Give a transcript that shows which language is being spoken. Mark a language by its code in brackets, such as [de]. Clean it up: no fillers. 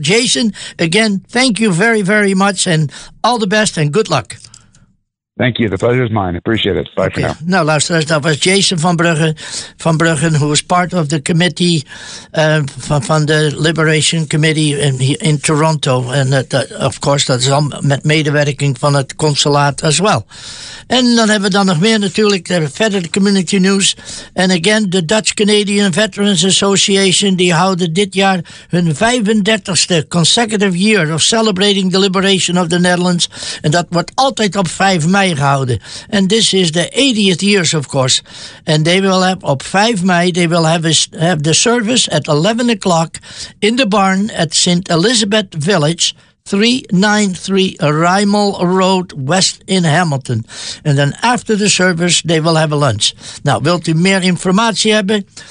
[en] Jason, again, thank you very, very much, and all the best and good luck. Thank you. The pleasure is mine. Appreciate it. Bye for now. [nl] Nou, luisteraars, dat was Jason van Bruggen. [en] Van Bruggen, who was part of the committee [nl] van de [en] Liberation Committee in Toronto. [nl] En [en] of course, [nl] dat is al met medewerking van het consulaat [en] as well. [nl] En dan hebben we dan nog meer natuurlijk, verder de community news. [en] En again, de Dutch Canadian Veterans Association, [nl] die houden dit jaar hun 35ste [en] consecutive year of celebrating the liberation of the Netherlands. [nl] En dat wordt altijd op 5 mei. Gehouden. [en] And this is the 80th years, of course. And they will have, [nl] op 5 mei, [en] they will have the service at 11 o'clock in the barn at St. Elizabeth Village, 393 Rymel Road, West in Hamilton. And then after the service, they will have a lunch. [nl] Nou, wilt u meer informatie hebben?